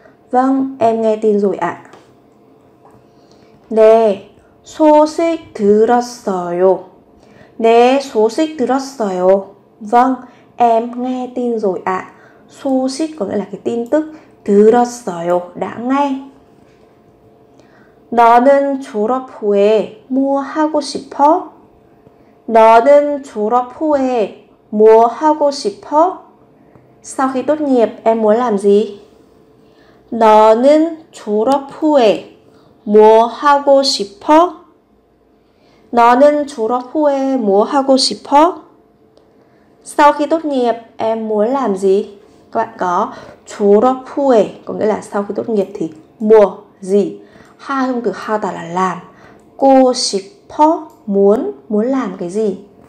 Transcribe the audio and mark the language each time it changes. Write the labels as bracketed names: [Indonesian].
[Vietnamese] Vâng, em nghe tin rồi ạ. [Korean] 네, 소식 들었어요. 네, 소식 들었어요. [Vietnamese] Vâng, em nghe tin rồi ạ. 소식 có nghĩa là cái tin tức. 들었어요, đã nghe. [Korean] 너는 졸업 후에 뭐 하고 싶어? 너는 졸업 후에 뭐 하고 싶어? [Vietnamese] Sau khi tốt nghiệp, em muốn làm gì? [Korean] 너는 졸업 후에 뭐 하고 싶어? 너는 졸업 후에 뭐 하고 싶어? [Vietnamese] Sau khi tốt nghiệp, em muốn làm gì? Các bạn có 졸업 후에 có nghĩa là sau khi tốt nghiệp thì 뭐, gì? 하 hông từ 하다 là làm. 고 싶어 muốn làm cái gì?